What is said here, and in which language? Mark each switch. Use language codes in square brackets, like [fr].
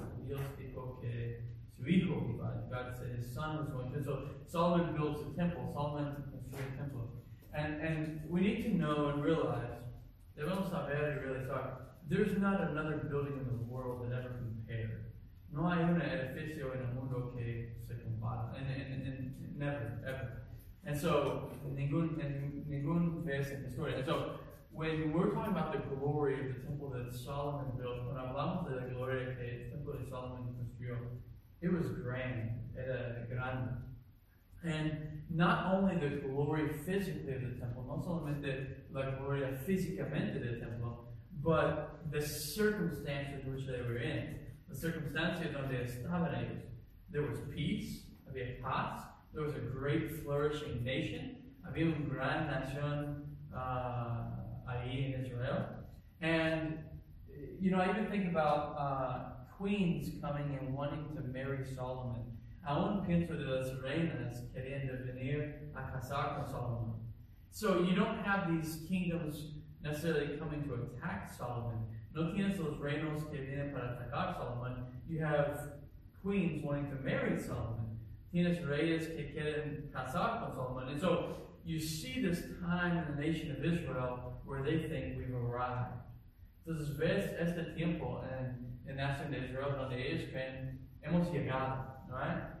[es] Dios dijo que su hijo iba. [en] God said his son was going to. So Solomon builds a temple. Solomon [es] construyó [en] a temple. And we need to know and realize, [es] debemos saber y realizar, [en] there's not another building in the world that ever compared. [es] No hay un edificio en el mundo que se compara. [en] And never, ever. And so, [es] ningún vez en historia. [en] And so, when we're talking about the glory of the temple that Solomon built, when [es] hablamos de la gloria que el templo de Solomon construyó, [en] it was grand, [es] era grande. [en] And not only the glory physically of the temple, [es] no solamente la gloria físicamente del templo, [en] but the circumstances in which they were in, the circumstances [es] donde estaban ellos. [en] There was peace, [es] había paz, [en] there was a great flourishing nation, [es] había un gran nación, [en] i.e. in Israel. And, you know, I even think about queens coming and wanting to marry Solomon. [es] Aún pienso de las reinas queriendo venir a casar con Solomon. [en] So you don't have these kingdoms necessarily coming to attack Solomon. [es] No tienes los reinos que vienen para atacar Solomon. [en] You have queens wanting to marry Solomon. [es] Tienes reyes que quieren casar con Solomon. [en] And so you see this time in the nation of Israel where they think we've arrived. [es] Entonces ves este tiempo en la nación de Israel donde ellos creen hemos llegado, right?